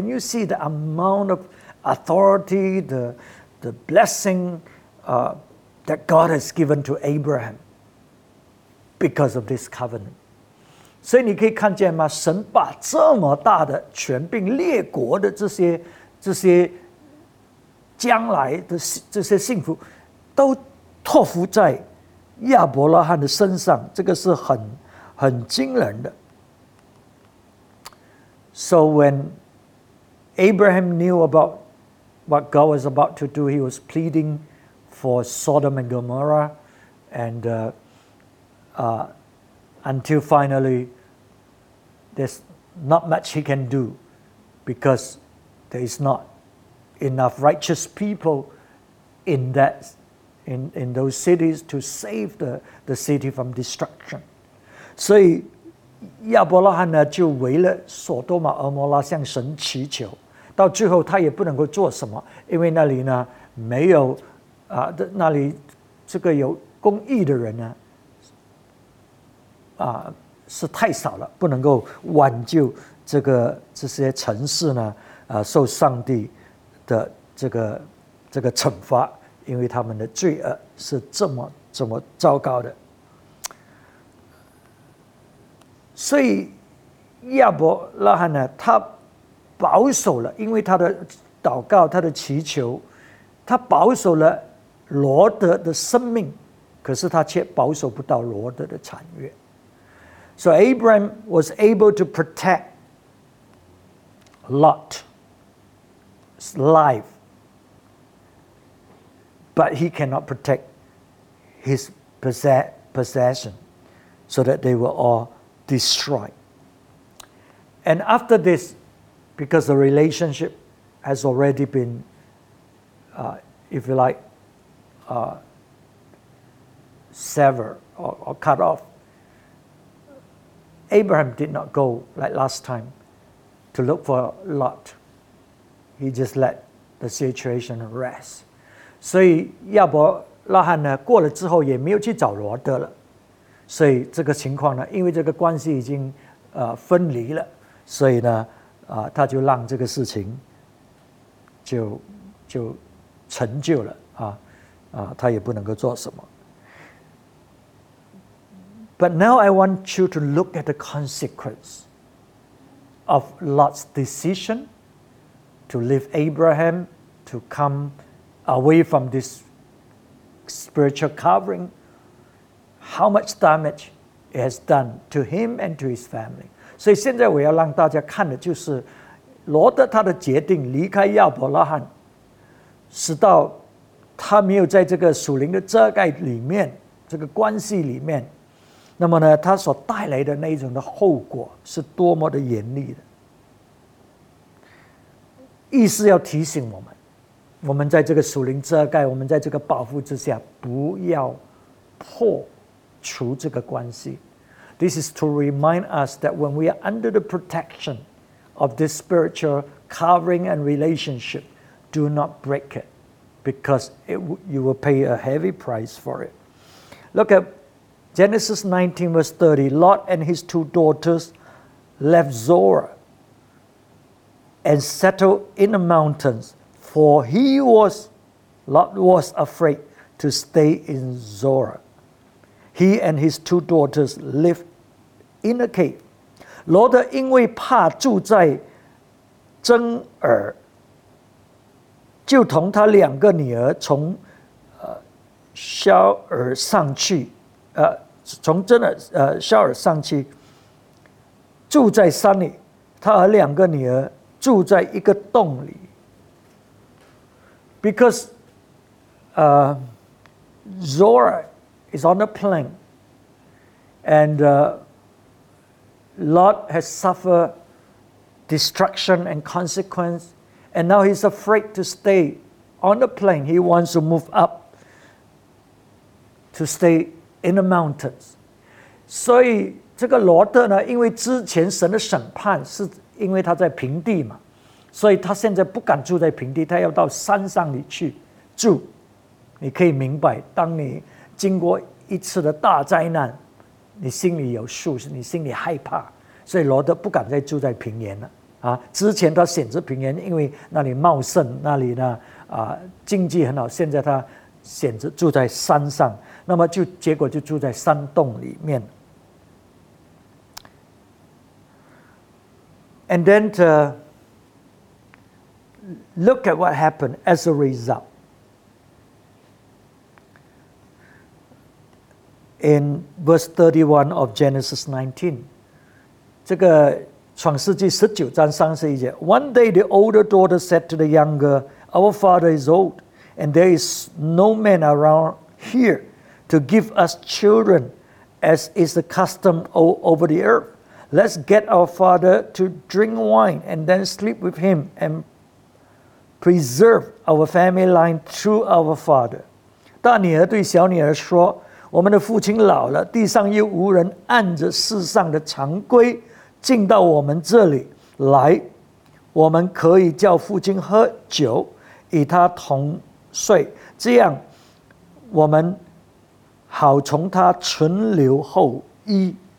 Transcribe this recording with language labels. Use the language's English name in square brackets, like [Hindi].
[English] Can you see the amount of authority, the blessing that God has given to Abraham because of this covenant? [Chinese] 所以你可以看见吗？神把这么大的权柄，列国的这些将来的这些幸福都托付在亚伯拉罕的身上，这个是很惊人的。 [English] So when Abraham knew about what God was about to do, he was pleading for Sodom and Gomorrah, and until finally, there's not much he can do because there is not enough righteous people in that. In those cities to save the city from destruction. [Chinese] 所以亚伯拉罕呢就为了索多玛俄摩拉向神祈求，到最后他也不能够做什么，因为那里呢没有那里这个有公义的人呢是太少了，不能够挽救这些城市呢受上帝的这个这个惩罚，因为他们的罪恶是这么这么糟糕的。所以亚伯拉罕呢，他保守了，因为他的祷告，他的祈求，他保守了罗德的生命，可是他却保守不到罗德的产业。 [English] So Abraham was able to protect Lot's life, but he cannot protect his possession so that they were all destroyed. And after this, because the relationship has already been, severed or cut off, Abraham did not go like last time to look for Lot. He just let the situation rest. [Chinese] 所以亚伯拉罕呢，过了之后也没有去找罗德了。所以这个情况呢，因为这个关系已经分离了，所以呢，他就让这个事情就成就了他也不能够做什么。 [English] But now I want you to look at the consequence of Lot's decision to leave Abraham, to come away from this spiritual covering, how much damage it has done to him and to his family. [Chinese] 所以现在我要让大家看的就是罗德他的决定离开亚伯拉罕，使到他没有在这个属灵的遮盖里面，这个关系里面，那么呢，他所带来的那一种的后果是多么的严厉的。意思要提醒我们，我们在这个属灵遮盖，我们在这个保护之下，不要破除这个关系。 [English] This is to remind us that when we are under the protection of this spiritual covering and relationship, do not break it, because you will pay a heavy price for it. Look at Genesis 19 verse 30, Lot and his two daughters left Zoar and settled in the mountains, for Lot was afraid to stay in Zoar. He and his two daughters lived in a cave. [Chinese] 罗德因为怕住在增尔，就同他两个女儿从肖尔上去，从真的肖尔上去住在山里，他和两个女儿住在一个洞里。 [English] Because Zora is on the plain, and Lot has suffered destruction and consequence, and now he's afraid to stay on the plain. He wants to move up to stay in the mountains. [Chinese] 所以这个罗德呢，因为之前神的审判是因为他在平地嘛，所以他现在不敢住在平地，他要到山上里去住。你可以明白，当你经过一次的大灾难，你心里有数，你心里害怕，所以罗德不敢再住在平原了啊。之前他选择平原，因为那里茂盛，那里呢经济很好，现在他选择住在山上，那么就结果就住在山洞里面。 [English] And then look at what happened as a result. In verse 31 of Genesis 19, [Chinese] 这个创世纪十九章三十一节， [English] One day the older daughter said to the younger, Our father is old, and there is no man around here. To give us children, as is the custom all over the earth. Let's get our father to drink wine and then sleep with him and preserve our family line through our father. [Chinese] 大女儿对小女儿说，我们的父亲老了，地上又无人按着世上的常规进到我们这里来，我们可以叫父亲喝酒，与他同睡，这样我们好从他存留后裔。